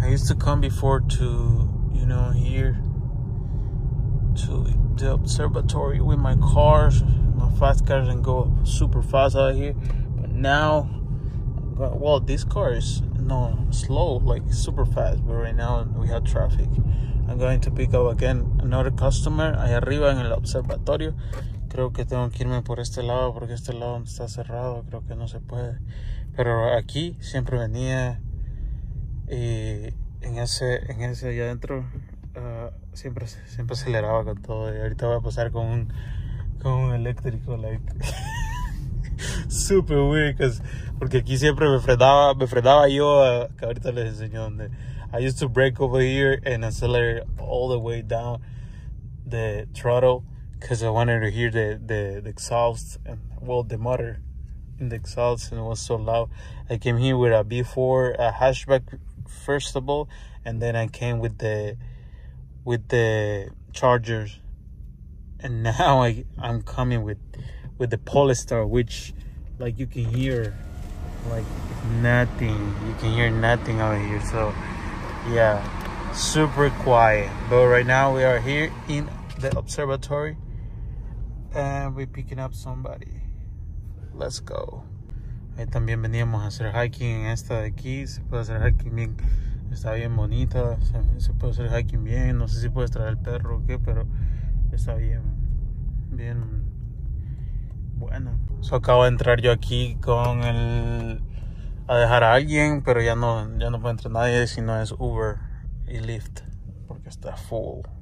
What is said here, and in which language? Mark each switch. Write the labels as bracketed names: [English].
[English] I used to come before to, you know, here to the observatory with my cars, my fast cars, and go super fast out here. But now, well, this car is not slow, like super fast, but right now we have traffic. I'm going to pick up again another customer [Spanish] allá arriba en el observatorio. Creo que tengo que irme por este lado porque este lado está cerrado, creo que no se puede. Pero aquí siempre venía y en ese allá adentro siempre aceleraba con todo. Y ahorita voy a pasar con un eléctrico, [English] like super weird, [Spanish] porque aquí siempre me frenaba yo, que ahorita les enseño dónde. [English] I used to brake over here and accelerate all the way down the throttle because I wanted to hear the exhaust and, well, the motor in the exhaust, and it was so loud. I came here with a B4, a hatchback, first of all, and then I came with the chargers, and now I'm coming with the Polestar, which, like, you can hear, like, nothing. You can hear nothing out here. So, yeah, super quiet. But right now we are here in the observatory, and we're picking up somebody. Let's go. [Spanish] Ahí también veníamos a hacer hiking en esta de aquí. Se puede hacer hiking bien. Está bien bonita. Se puede hacer hiking bien. No sé si puedes traer el perro o qué, pero está bien. Bien. Bueno. So, acabo de entrar yo aquí con el... a dejar a alguien, pero ya no puede entrar nadie si no es Uber y Lyft, porque está full.